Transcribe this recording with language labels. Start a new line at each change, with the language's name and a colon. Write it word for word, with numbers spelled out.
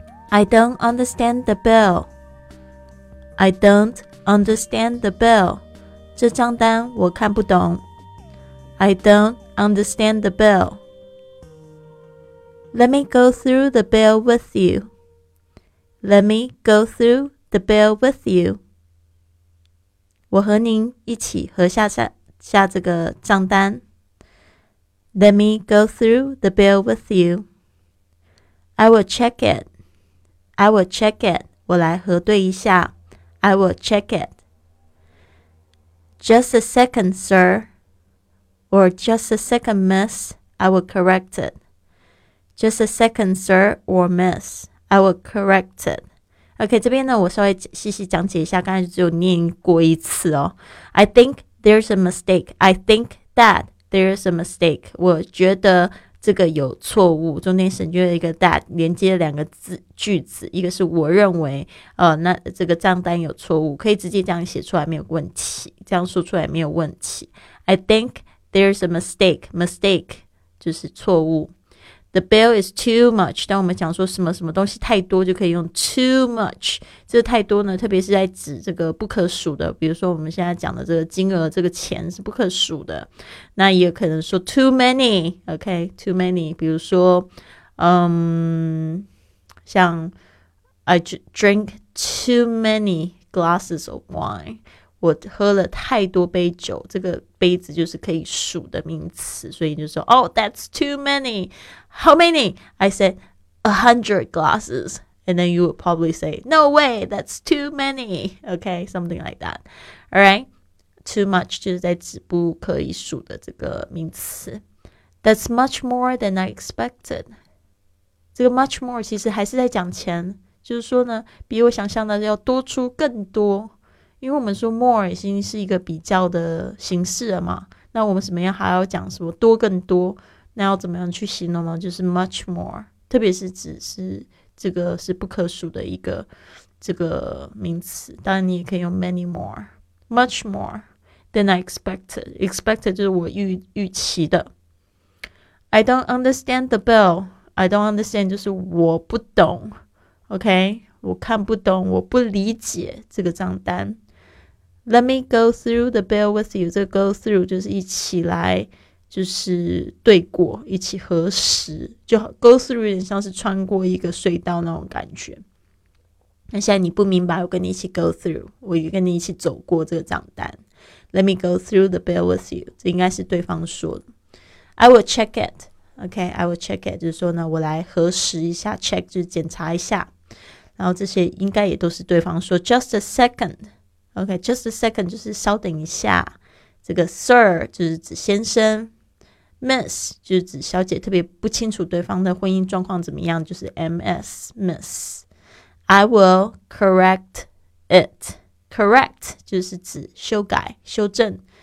English: I don't understand the bill. I don't understand the bill.
Chinese: 这账单我看不懂。
English: I don't understand the bill. Let me go through the bill with you. Let me go through the bill with you.
Chinese: 我和您一起核下下下这个账单。
English: Let me go through the bill with you. I will check it. I will check it.
Chinese: 我来核对一下。
English: I will check it. Just a second, sir. Or just a second, miss, I will correct it. Just a second, sir, or miss, I will correct it.
Chinese: OK, 这边呢我稍微细细讲解一下，刚才只有念过一次哦。
English: I think there's a mistake. I think that there's a mistake.
Chinese: 我觉得这个有错误，中间省略了一个 that， 连接两个字句子，一个是我认为呃，那这个账单有错误，可以直接这样写出来没有问题，这样说出来没有问题。
English: I think... There's a mistake.
Chinese: Mistake 就是错误。
English: The bill is too much.
Chinese: 当我们讲说什么什么东西太多，就可以用 too much。这太多呢，特别是在指这个不可数的，比如说我们现在讲的这个金额，这个钱是不可数的。那也有可能说 too many.
English: OK, too many.
Chinese: 比如说，嗯，像
English: I drink too many glasses of wine.
Chinese: 我喝了太多杯酒，这个杯子就是可以数的名词，所以就说
English: Oh, that's too many. How many? I said a hundred glasses. And then you would probably say, No way, that's too many. Okay, something like that. All right,
Chinese: too much 就是在指不可以数的这个名词。
English: That's much more than I expected.
Chinese: 这个 much more 其实还是在讲钱，就是说呢，比我想象的要多出更多。因为我们说 more 已经是一个比较的形式了嘛，那我们怎么样还要讲什么多更多，那要怎么样去形容呢？就是 much more， 特别是指是这个是不可数的一个这个名词，当然你也可以用 many more。
English: Much more than I expected expected
Chinese: 就是我 预, 预期的。
English: I don't understand the bill. I don't understand
Chinese: 就是我不懂， OK， 我看不懂，我不理解这个账单。
English: Let me go through the bill with you.
Chinese: 这个 go through 就是一起来，就是对过，一起核实。就 go through 有点像是穿过一个隧道那种感觉。那现在你不明白，我跟你一起 go through， 我跟你一起走过这个账单。
English: Let me go through the bill with you.
Chinese: 这应该是对方说的。
English: I will check it. OK, I will check it.
Chinese: 就是说呢，我来核实一下 ，check 就是检查一下。然后这些应该也都是对方说
English: just a second.
Chinese: OK, just a second 就是稍等一下。这个 sir 就是指先生。Miss 就是指小姐，特别不清楚对方的婚姻状况怎么样，就是 M S Miss。
English: I will correct it.
Chinese: Correct 就是指修改、修正。